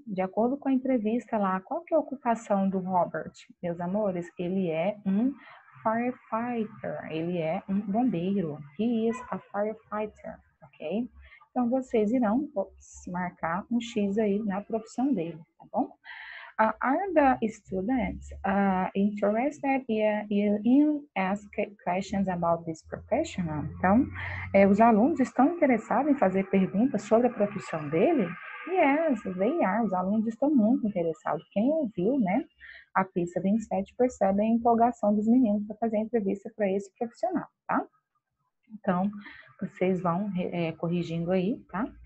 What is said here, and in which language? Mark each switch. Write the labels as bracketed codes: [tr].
[pt] De acordo com a entrevista lá, qual que é a ocupação do Robert? Meus amores, ele é um firefighter, ele é um bombeiro. [en] He is a firefighter, [pt] ok? Então, vocês irão, ops, marcar um X aí na profissão dele, tá bom? [en] Are the students interested in asking questions about this professional? [pt] Então, os alunos estão interessados em fazer perguntas sobre a profissão dele? [en] Yes, they are. [pt] Os alunos estão muito interessados. Quem ouviu, né, a pista 27 percebe a empolgação dos meninos para fazer a entrevista para esse profissional, tá? Então, vocês vão corrigindo aí, tá?